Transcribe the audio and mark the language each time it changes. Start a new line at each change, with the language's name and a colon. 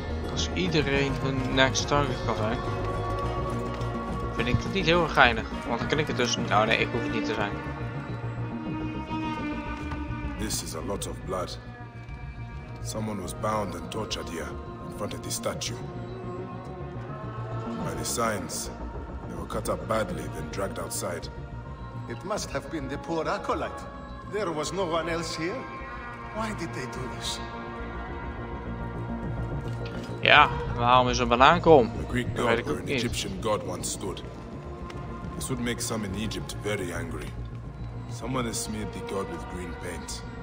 Dutch: Als iedereen hun
English: next target
Dutch: kan zijn, vind ik het niet heel erg geinig. Want dan kan ik het dus niet. Nou, nee, ik hoef het niet te zijn.
English: This is a lot of blood. Someone was bound and tortured here, in front of this statue. By the signs, they were cut up badly, then dragged outside. It must have been the poor acolyte. There was no one else here. Why did they do this?
Dutch: Ja, waarom is een banaan krom?
English: A Greek god or an Egyptian god once stood. This would make some in Egypt very angry. Someone has smeared the god with green paint.